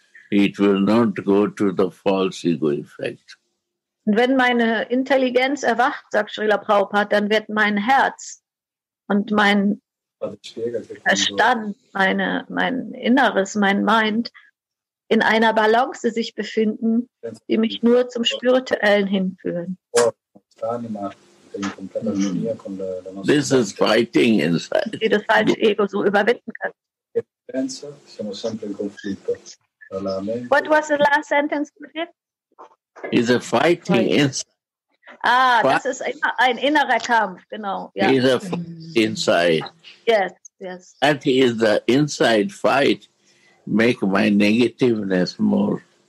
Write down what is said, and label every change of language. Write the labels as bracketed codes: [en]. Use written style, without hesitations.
[en] It will not go to the false ego effect. [de] Und wenn meine Intelligenz erwacht, sagt Srila Prabhupada, dann wird mein Herz und mein Verstand, mein Inneres, mein Mind in einer Balance sich befinden, die mich nur zum Spirituellen hinführen. [en] This is fighting inside. [de] Die das falsche Ego so überwinden kann. [en] What was the last sentence with him? He's a fighting inside. [de] Ah, das ist immer ein innerer Kampf, genau. [en] Yeah. He's a fight inside. Yes, yes. That is the inside fight, make my negativeness more.